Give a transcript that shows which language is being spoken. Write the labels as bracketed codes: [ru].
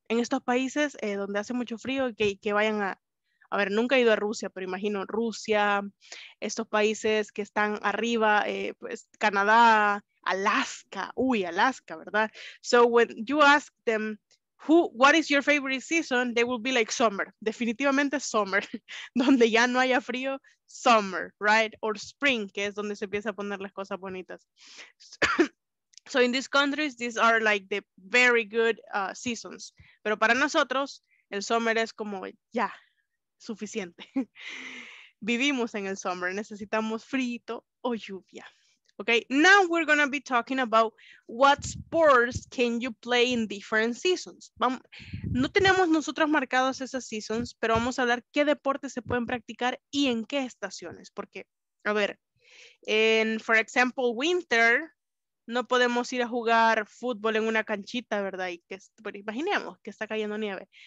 [es] En estos países donde hace mucho frío, que vayan a ver, nunca he ido a Rusia, pero imagino Rusia, estos países que están arriba, pues Canadá, Alaska, uy, Alaska, ¿verdad? [en] So when you ask them, what is your favorite season? They will be like summer, [es] definitivamente summer, donde ya no haya frío, [en] summer, right? Or spring, [es] que es donde se empieza a poner las cosas bonitas. [en] So in these countries, these are like the very good seasons. [es] Pero para nosotros, el summer es como ya, suficiente. Vivimos en el summer, necesitamos frío o lluvia. [en] Okay, now we're going to be talking about what sports can you play in different seasons. [es] No tenemos nosotros marcados esas seasons, pero vamos a hablar qué deportes se pueden practicar y en qué estaciones. Porque, a ver, en, [en] for example, [es] winter, no podemos ir a jugar fútbol en una canchita, ¿verdad? Y que, pero imaginemos que está cayendo nieve.